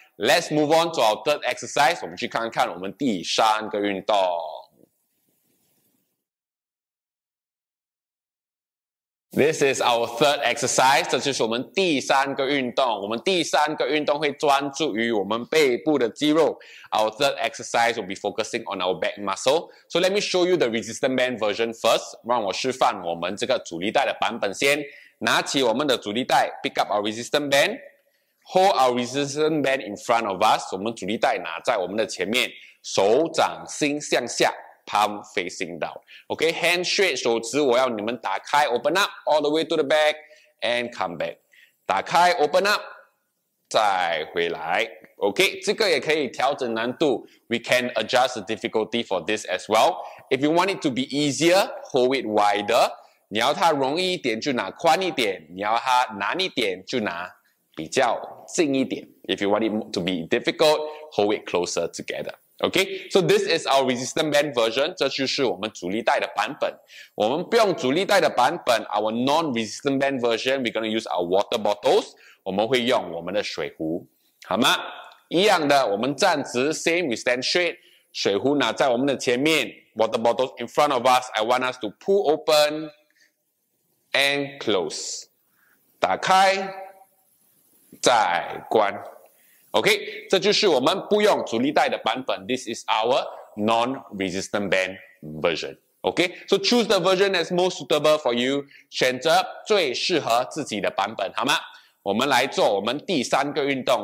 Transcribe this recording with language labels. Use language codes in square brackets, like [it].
[en] Let's move on to our third exercise. [zh] 我们去看看我们第三个运动。 [en] This is our third exercise. [zh] 这就是我们第三个运动。我们第三个运动会专注于我们背部的肌肉。 [en] Our third exercise will be focusing on our back muscle. So let me show you the resistance band version first. [zh] 让我示范我们这个阻力带的版本先。拿起我们的阻力带 ， [en] pick up our resistance band。 Hold our resistance band in front of us. [zh] 我们阻力带拿在我们的前面，手掌心向下 ， [en] palm facing down. Okay, hand straight. [zh] 手指我要你们打开 [en] ，open up all the way to the back and come back. [zh] 打开 ， [en] open up， [zh] 再回来。 Okay, 这个也可以调整难度。 [en] We can adjust the difficulty for this as well. If you want it to be easier, hold it wider. [zh] 你要它容易一点就拿宽一点，你要它难一点就拿。比较近一点 [en] If you want it to be difficult, hold it closer together. Okay, so this is our resistance band version. [zh] 这就是我们阻力带的版本。我们不用阻力带的版本 [en] our non-resistance band version, we're going to use our water bottles. [zh] 我们会用我们的水壶。好吗？一样的，我们站直 [en] same, we stand straight. [zh] 水壶拿在我们的前面 [en] water bottles in front of us. I want us to pull open and close. [zh] 打开再关 ，OK， 这就是我们不用阻力带的版本。 [en] This is our non-resistant band version. OK, so choose the version that's most suitable for you. [zh] 选择最适合自己的版本，好吗？我们来做我们第三个运动。